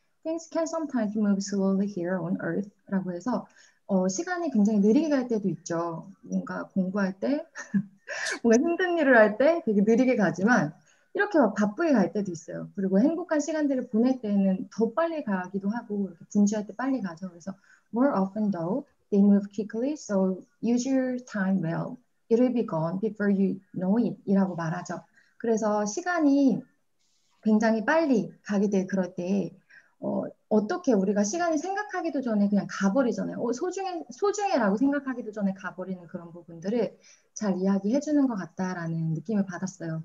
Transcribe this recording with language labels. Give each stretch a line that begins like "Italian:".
English: Things can sometimes move slowly here on Earth라고
Korean: 해서 시간이 굉장히 느리게 갈 때도 있죠. 뭔가 공부할 때, 뭔가 힘든 일을 할때 되게 느리게 가지만 이렇게 막 바쁘게 갈 때도 있어요. 그리고 행복한 시간들을 보낼 때는 더 빨리 가기도 하고 이렇게 분주할 때 빨리 가죠. 그래서
English: more often though they move quickly, so use your time well. It'll be gone before you know it.
Korean: 이라고 말하죠. 그래서 시간이 굉장히 빨리 가게 될 그럴 때, 어떻게 우리가 시간을 생각하기도 전에 그냥 가버리잖아요. 소중해라고 생각하기도 전에 가버리는 그런 부분들을 잘 이야기해주는 것 같다라는 느낌을 받았어요.